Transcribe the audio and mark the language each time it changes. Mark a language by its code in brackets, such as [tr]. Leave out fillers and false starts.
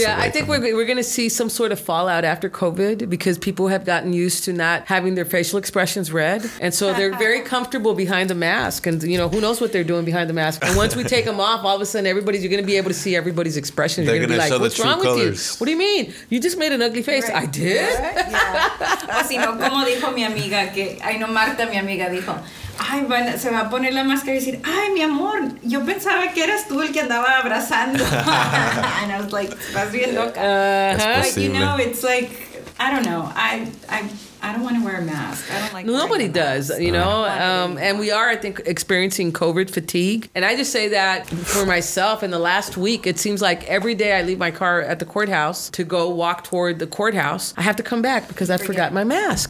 [en] Yeah, I think we're going to see some sort of fallout after COVID because people have gotten used to not having their facial expressions read, and so they're very comfortable behind the mask. And you know, who knows what they're doing behind the mask? And once we take them off, all of a sudden, you're going to be able to see everybody's expression. They're going to be like, "What's wrong colors. With you? What do you mean? You just made an ugly face." Right. I did. [es] Así no, como dijo mi amiga que, ay no, Marta, mi amiga dijo. Ay, se va a poner la máscara y decir, ay, mi amor, yo pensaba que eras tú el que andaba abrazando. [en] And I was like, [es] estás bien loca. [en] Uh-huh. But you know, it's like, I don't know. I I don't want to wear a mask. I don't like it. Nobody does, you know? And we are, I think, experiencing COVID fatigue. And I just say that for myself, in the last week, it seems like every day I leave my car at the courthouse to go walk toward the courthouse, I have to come back because I forgot my mask.